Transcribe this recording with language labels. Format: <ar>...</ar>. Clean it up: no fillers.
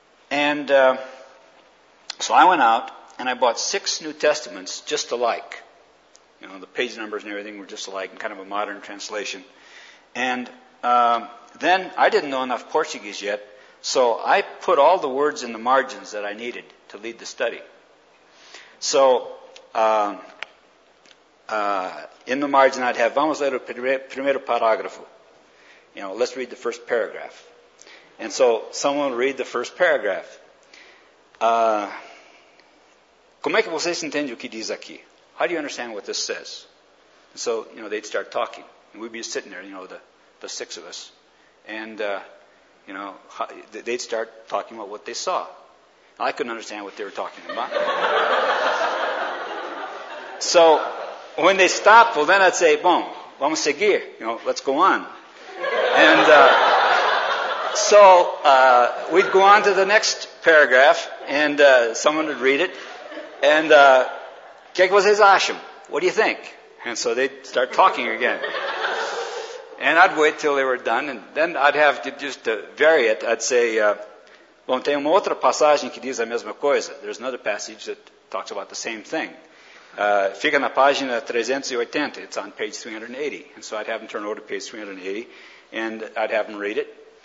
<en>And so I went out, and I bought six New Testaments just alike. You know, the page numbers and everything were just alike, and kind of a modern translation. And then I didn't know enough Portuguese yet, so I put all the words in the margins that I needed to lead the study. So in the margin I'd have,</en> <pt>vamos ler o primeiro parágrafo.</pt> <en>You know, let's read the first paragraph. And so someone would read the first paragraph.</en> <pt>Como é que vocês entendem o que diz aqui?</pt> <en>How do you understand what this says? And so, you know, they'd start talking. And we'd be sitting there, you know, the six of us. And, you know, they'd start talking about what they saw. I couldn't understand what they were talking about. So when they stopped, well, then I'd say,</en> <pt>bon, vamos seguir.</pt> <en>You know, let's go on. And so we'd go on to the next paragraph, and someone would read it. And,</en> <pt>que que vocês acham?</pt> <en>What do you think? And so they'd start talking again. And I'd wait till they were done, and then I'd have to just vary it. I'd say,</en> <pt>bom, tem uma outra passagem que diz a mesma coisa.</pt> <en>There's another passage that talks about the same thing.</en> <pt>Fica na página 380.</pt> <en>It's on page 380. And so I'd have them turn over to page 380, and I'd have them read it.</en>